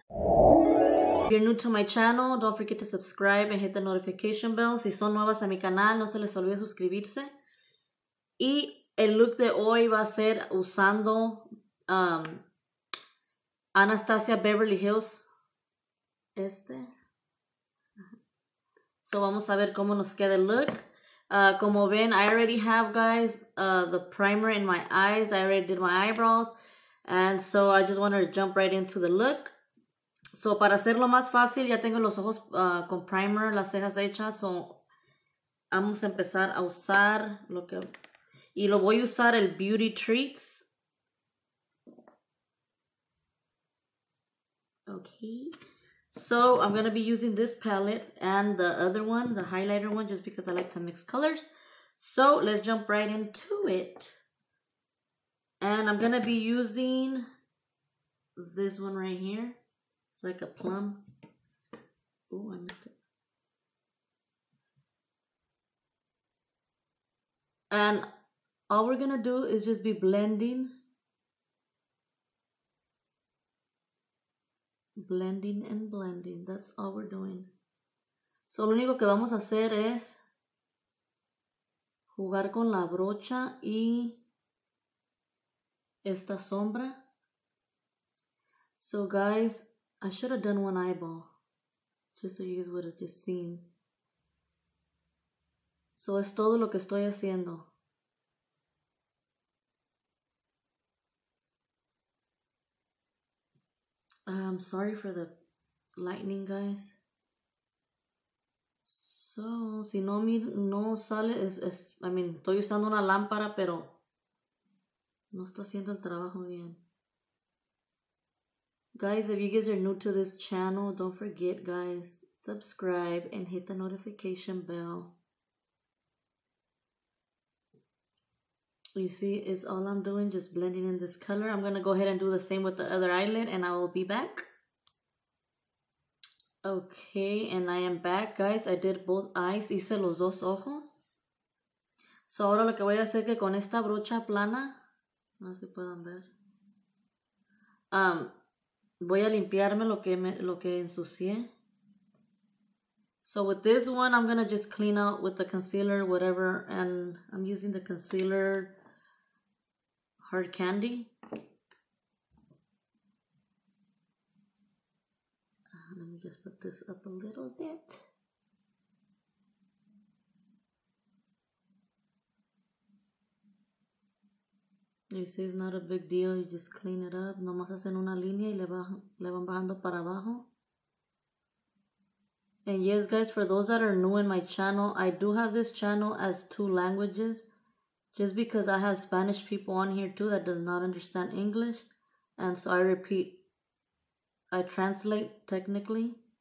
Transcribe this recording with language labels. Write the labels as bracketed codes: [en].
[en] If you're new to my channel, don't forget to subscribe and hit the notification bell. [es] Si son nuevas a mi canal, no se les olvide suscribirse. Y el look de hoy va a ser usando Anastasia Beverly Hills. Este. So vamos a ver cómo nos queda el look. Como ven, [en] I already have, guys, the primer in my eyes. I already did my eyebrows. And so I just wanted to jump right into the look. [es] So para hacerlo más fácil, ya tengo los ojos con primer, las cejas hechas. So vamos a empezar a usar lo que... Y lo voy a usar el Beauty Treats. [en] Okay. So I'm going to be using this palette and the other one, the highlighter one, just because I like to mix colors. So let's jump right into it. And I'm going to be using this one right here. It's like a plum. Oh, I missed it. And all we're going to do is just be blending. Blending and blending. That's all we're doing. [es] So lo único que vamos a hacer es jugar con la brocha y... esta sombra. [en] So guys, I should have done one eyeball just so you guys would have just seen. [es] So es todo lo que estoy haciendo. [en] I'm sorry for the lightning, guys. [es] So si no mi no sale es [en] I mean, [es] estoy usando una lámpara, pero no está haciendo el trabajo bien. [en] Guys, if you guys are new to this channel, don't forget, guys, subscribe and hit the notification bell. You see, it's all I'm doing, just blending in this color. I'm going to go ahead and do the same with the other eyelid and I will be back. Okay, and I am back, guys. I did both eyes. [es] Hice los dos ojos. So ahora lo que voy a hacer es que con esta brocha plana... no sé si puedan ver. Voy a limpiarme lo que ensucié. [en] So with this one, I'm gonna just clean out with the concealer, whatever. And I'm using the concealer Hard Candy. Let me just put this up a little bit. You see, it's not a big deal, you just clean it up. [es] Nomás hacen una línea y le van bajando para abajo. [en] And yes, guys, for those that are new in my channel, I do have this channel as two languages. Just because I have Spanish people on here too that does not understand English. And so I repeat, I translate technically.